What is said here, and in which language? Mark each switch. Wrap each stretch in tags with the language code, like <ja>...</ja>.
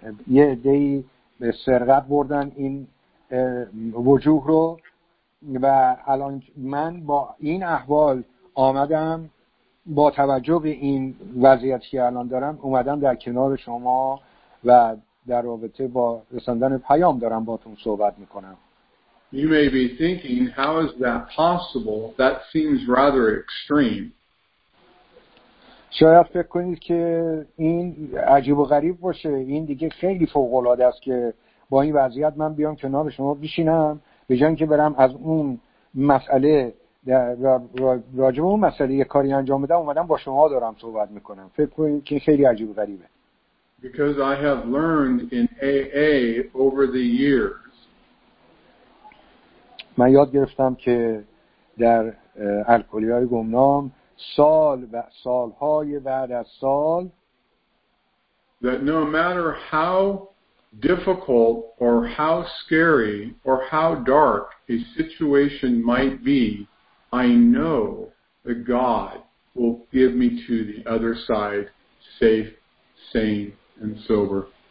<fa>یه عده‌ای به سرقت بردن این وجوه رو و الان من با این احوال آمدم با توجه به این وضعیتی که الان دارم اومدم در کنار شما و در رابطه با رساندن پیام دارم با تون صحبت میکنم.</fa> <en>You may be thinking, how is that possible? That seems rather extreme.</en> <fa>شاید فکر کنید که این عجیب و غریب باشه. این دیگه خیلی فوق‌العاده است که با این وضعیت من بیام کنار شما بشینم به جای اینکه برم از اون مسئله راجب اون مسئله یک کاری انجام بدم اومدم با شما دارم صحبت میکنم. فکر کنید که خیلی عجیب و غریبه.</fa> <en>Because I have learned in AA over the years.</en> <fa>من یاد گرفتم که در الکلی‌های گمنام سال و سال‌های بعد از سال</fa> <en>that no matter how difficult or how scary or how dark a situation might be, I know that God will give me to the other side safe, sane and sober.</en>